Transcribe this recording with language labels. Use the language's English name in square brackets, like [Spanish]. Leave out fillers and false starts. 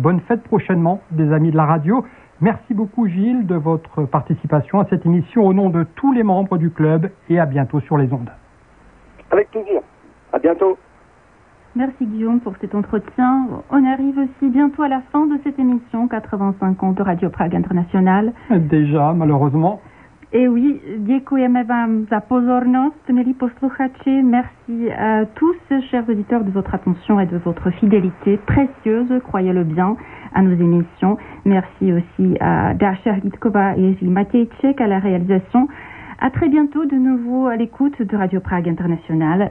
[French] Bonne fête prochainement, des amis de la radio. Merci beaucoup, Gilles, de votre participation à cette émission au nom de tous les membres du club et à bientôt sur les ondes. Avec plaisir. À bientôt. Merci, Guillaume, pour cet entretien. On arrive aussi bientôt à la fin de cette émission 85 ans de Radio Prague International. Déjà, malheureusement. Eh oui, [Czech] děkujeme vám za pozornost, milí posluchači. [French] Merci à tous, chers auditeurs, de votre attention et de votre fidélité précieuse, croyez-le bien, à nos émissions. Merci aussi à Dasha Hlídková et Jiří Matějček à la réalisation. À très bientôt, de nouveau à l'écoute de Radio Prague International.